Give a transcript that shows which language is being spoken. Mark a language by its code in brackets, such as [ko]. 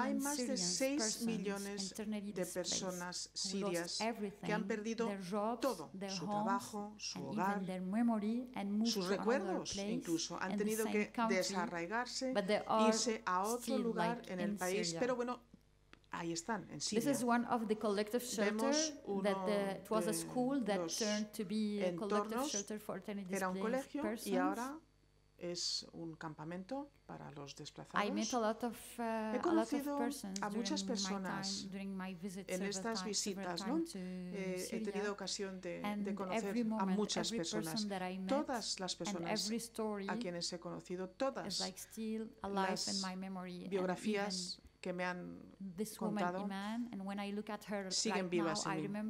[es] Hay más de 6 millones de personas sirias que han perdido todo, su trabajo, su hogar, sus recuerdos incluso. Han tenido que desarraigarse, irse a otro lugar en el país, pero bueno, ahí están, en Siria. [en] This is one of the collective shelter that it was a school that turned to be a collective shelter for internally displaced. [es] Era un colegio y ahora es un campamento para los desplazados. [en] I met a lot of [es] he conocido a muchas personas en estas visitas, ¿no? He tenido ocasión de conocer a muchas personas. Todas las personas a quienes he conocido, todas las biografías que me han contado, siguen vivas en mí.